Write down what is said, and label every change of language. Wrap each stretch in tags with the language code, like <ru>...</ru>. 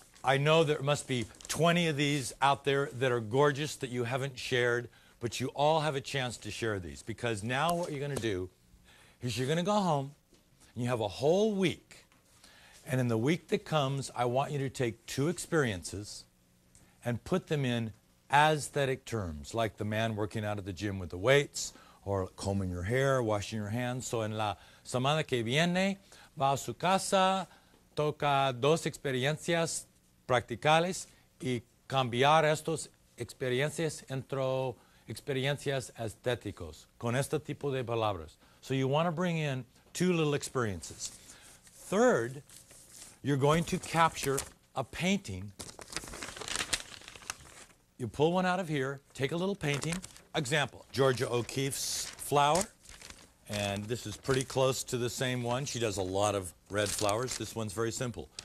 <en>I know there must be 20 of these out there that are gorgeous that you haven't shared, but you all have a chance to share these, because now what you're going to do is you're going to go home and you have a whole week. And in the week that comes, I want you to take two experiences and put them in aesthetic terms, like the man working out at the gym with the weights, or combing your hair, washing your hands.</en> <es>So en la semana que viene, va a su casa, toca dos experiencias practicales y cambiar estos experiencias entre experiencias estéticos con este tipo de palabras.</es> <en>So you want to bring in two little experiences. Third, you're going to capture a painting. You pull one out of here, take a little painting. Example, Georgia O'Keeffe's flower. And this is pretty close to the same one. She does a lot of red flowers. This one's very simple.</en>